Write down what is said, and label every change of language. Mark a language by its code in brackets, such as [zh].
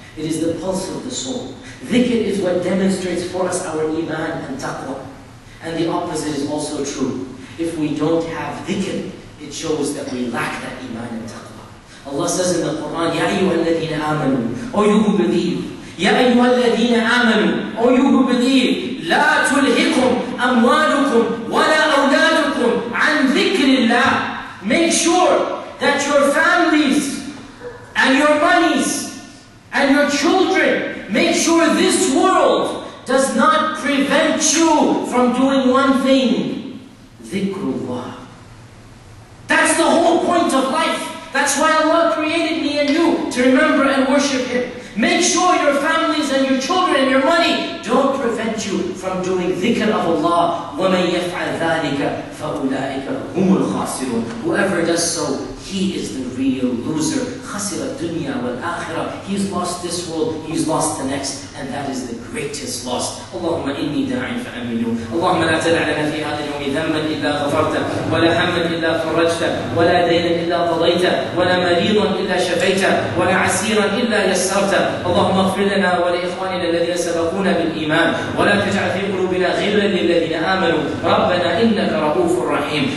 [en] It is the pulse of the soul. Dhikr is what demonstrates for us our iman and taqwa. And the opposite is also true. If we don't have dhikr, it shows that we lack that iman and taqwa. Allah says in the Quran, [ar] Ya ayyuha alladhina amanu, [en] O you who believe. [ar] Ya ayyuha alladhina amanu, [en] O you who believe. [ar] لا تلهكم أموالكم ولا أولادكم عن ذكر الله. [en] Make sure that your families and your monies and your children, make sure this world does not prevent you from doing one thing, ذكرullah. That's the whole point of life. That's why Allah created me and you, to remember and worship Him. Make sure your families and your children and your money don't prevent you from doing dhikr of Allah. [ar] وَمَنْ يَفْعَلْ ذَٰلِكَ فَأُولَٰئِكَ هُمُ الْخَاسِرُونَ. [en] Whoever does so, he is the real loser. [ar] خَسِرَ الدُّنْيَا وَالْآخِرَةَ. [en] He's lost this world, he's lost the next, and that is the greatest loss. [ar] اللهم إني داعٍ فأمنوا. اللهم لا تدع لنا في هذا اليوم ذنبًا إلا غفرته، ولا همًا إلا فرجته، ولا دينًا إلا قضيته، ولا مريضًا إلا شفيته، ولا عسيرًا إلا يسرته. اللهم اغفر لنا ولإخواننا الذين سبقونا بالإيمان، ولا تجعل في قلوبنا غلًا للذين آمنوا، ربنا إنك رؤوف رحيم.